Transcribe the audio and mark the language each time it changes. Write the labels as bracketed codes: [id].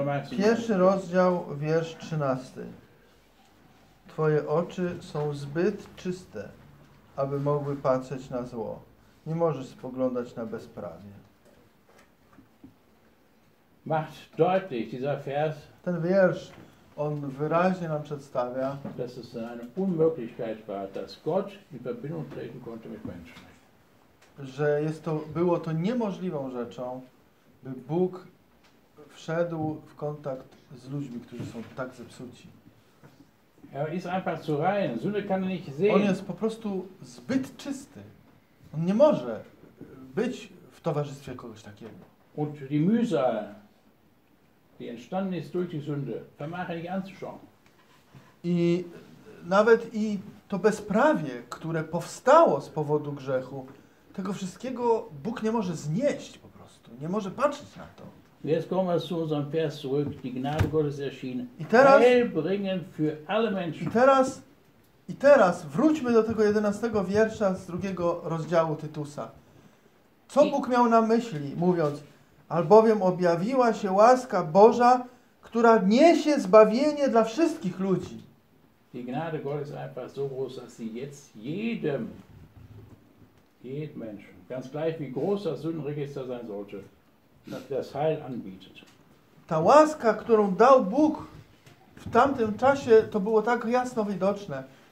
[pl] Pierwszy rozdział, wiersz 13. Twoje oczy są zbyt czyste, aby mogły patrzeć na zło. Nie możesz spoglądać na bezprawie. [de] Macht deutlich dieser Vers. [pl] Ten wiersz, on wyraźnie nam przedstawia, [de] dass es eine Unmöglichkeit war, dass Gott in Verbindung treten konnte mit Menschen. [pl] Że jest to, było to niemożliwą rzeczą, by Bóg wszedł w kontakt z ludźmi, którzy są tak zepsuci. [de] Er ist einfach zu rein. Sünde kann er nicht sehen. [pl] On jest po prostu zbyt czysty. On nie może być w towarzystwie kogoś takiego. [de] Und die Mühsal, die entstanden ist durch die Sünde, vermag er nicht anzuschauen. [pl] I nawet i to bezprawie, które powstało z powodu grzechu, tego wszystkiego Bóg nie może znieść po prostu. Nie może patrzeć na to. [de] Jetzt kommen wir zu unserem Vers zurück. Die Gnade Gottes erschien, Heil bringend für alle Menschen. [pl] I teraz wróćmy do tego 11 wiersza z drugiego rozdziału Tytusa. Co Bóg miał na myśli, mówiąc: albowiem objawiła się łaska Boża, która niesie zbawienie dla wszystkich ludzi. [de] Die Gnade Gottes einfach so groß, dass sie jetzt jedem Menschen, ganz gleich wie groß das Sündenregister sein sollte, das Heil anbietet. [pl] Ta łaska, którą dał Bóg w tamtym czasie, to było tak jasno widoczne.